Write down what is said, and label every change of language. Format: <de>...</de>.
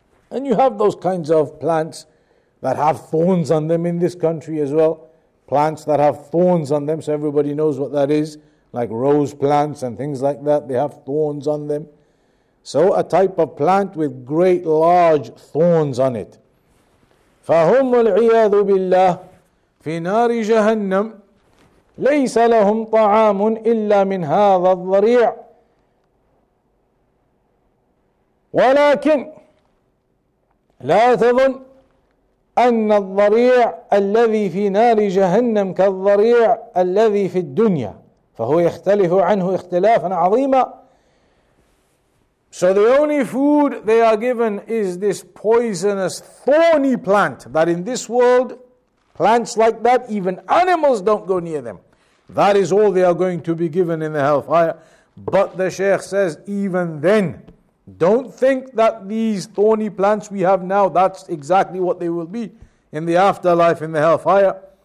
<en>And you have those kinds of plants that have thorns on them in this country as well. Plants that have thorns on them, so everybody knows what that is. Like rose plants and things like that, they have thorns on them. So a type of plant with great large thorns on it.</en> <ar>فَهُمْ وَالْعِيَاذُ بِاللَّهِ فِي نَارِ جَهَنَّمْ لَيْسَ لَهُمْ طَعَامٌ إِلَّا مِنْ هَذَا الضَّرِيعِ وَلَكِنْ لا تظن أن الضريع الذي في نار جهنم كالضريع الذي في الدنيا فهو يختلف عنه اختلافا عظيما.</ar> <en>So the only food they are given is this poisonous thorny plant, that in this world, plants like that, even animals don't go near them. That is all they are going to be given in the hellfire. But the Shaykh says, even then, don't think that these thorny plants we have now, that's exactly what they will be in the afterlife in the hellfire.</en>